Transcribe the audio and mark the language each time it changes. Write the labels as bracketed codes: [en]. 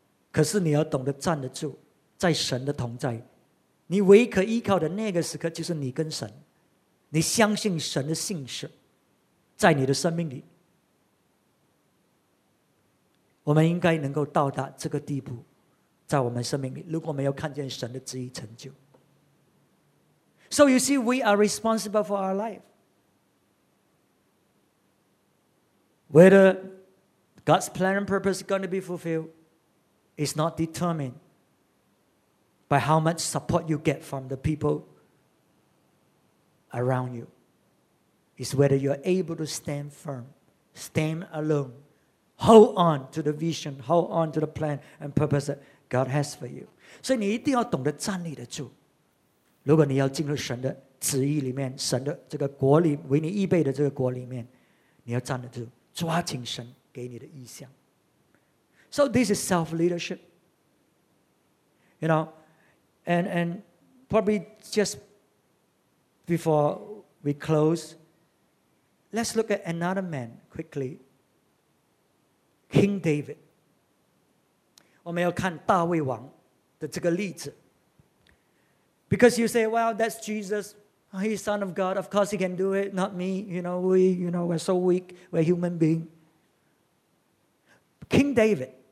[zh] 可是你要懂得站得住，在神的同在，你唯一可依靠的那个时刻就是你跟神，你相信神的信实在你的生命里。我们应该能够到达这个地步，在我们生命里，如果没有看见神的旨意成就。 [en] So you see, we are responsible for our life. Whether God's plan and purpose is going to be fulfilled is not determined by how much support you get from the people around you. It's whether you're able to stand firm, stand alone, hold on to the vision, hold on to the plan and purpose that God has for you. [zh] 所以你一定要懂得站立得住。如果你要进入神的旨意里面，神的这个国里，为你预备的这个国里面，你要站得住，抓紧神给你的意向。 [en] So this is self-leadership. You know, and probably just before we close, let's look at another man quickly. King David. [zh] 我们要看大卫王的这个例子。 [en] Because you say, well, that's Jesus. He's Son of God. Of course he can do it. Not me. We're so weak. We're human beings. King David.